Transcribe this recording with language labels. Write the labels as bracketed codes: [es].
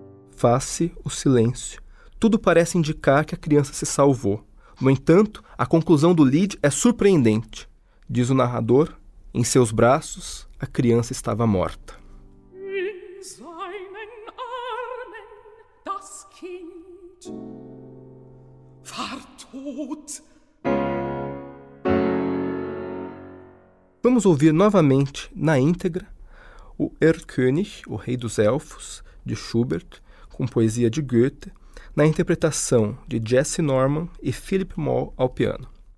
[pt] Faz-se o silêncio. Tudo parece indicar que a criança se salvou. No entanto, a conclusão do lead é surpreendente. Diz o narrador: em seus braços, a criança estava morta. [de] In seinen Armen das Kind war tot. [pt] Vamos ouvir novamente, na íntegra, o Erlkönig, o Rei dos Elfos, de Schubert, com poesia de Goethe, na interpretação de Jesse Norman e Philip Moll ao piano.